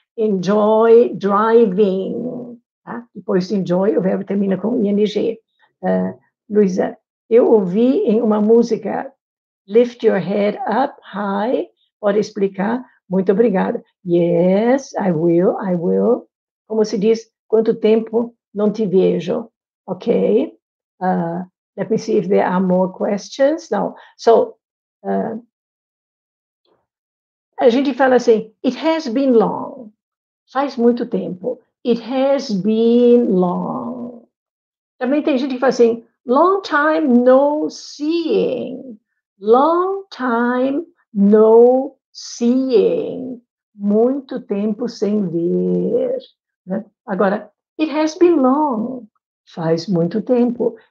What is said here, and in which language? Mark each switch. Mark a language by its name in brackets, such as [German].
[English] Enjoy driving. [Portuguese] Tá? Depois de enjoy, o verbo termina com ing. Luiza, eu ouvi em uma música, [English] lift your head up high, [Portuguese] pode explicar? Muito obrigada. [English] Yes, I will, I will. [Portuguese] Como se diz, quanto tempo não te vejo. Ok. [English] Let me see if there are more questions. No. So, [Portuguese] a gente fala assim, [English] it has been long. [Portuguese] Faz muito tempo. [English] It has been long. [Portuguese] Também tem gente que fala assim, [English] long time no seeing. Long time no seeing. [Portuguese] Muito tempo sem ver. Né? Agora, [English] it has been long. [Portuguese] Faz muito tempo.